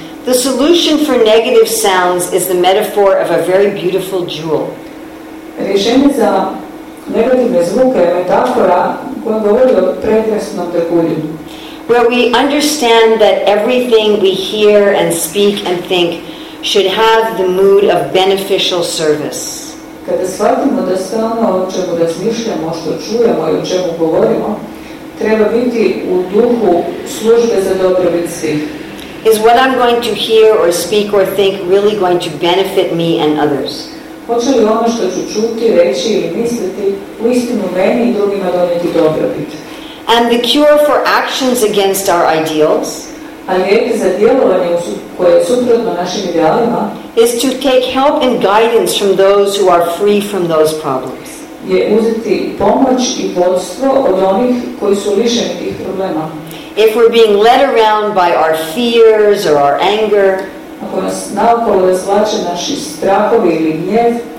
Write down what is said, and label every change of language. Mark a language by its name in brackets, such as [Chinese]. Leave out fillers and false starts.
[English] The solution for negative sounds is the metaphor of a very beautiful jewel. [Croatian] Rješenje za negativne zvuke je metafora koja govori o prekrasnom trgulju. [English] Where we understand that everything we hear and speak and think should have the mood of beneficial service. [Croatian] Kada shvatimo da sve ono o čemu razmišljamo, što čujemo i o čemu govorimo, treba biti u duhu službe za dobrobit svih. [English] Is what I'm going to hear or speak or think really going to benefit me and others? [Croatian] Hoće li ono što ću čuti, reći ili misliti uistinu meni i drugima donijeti dobrobit? [English] And the cure for actions against our ideals, [Croatian] a lijek za djelovanje koje je suprotno našim idealima, [English] is to take help and guidance from those who are free from those problems. [Croatian] Je uzeti pomoć i vodstvo od onih koji su lišeni tih problema. [English] If we're being led around by our fears or our anger, [Croatian] ako nas naokolo razvlače naši strahovi ili gnjev,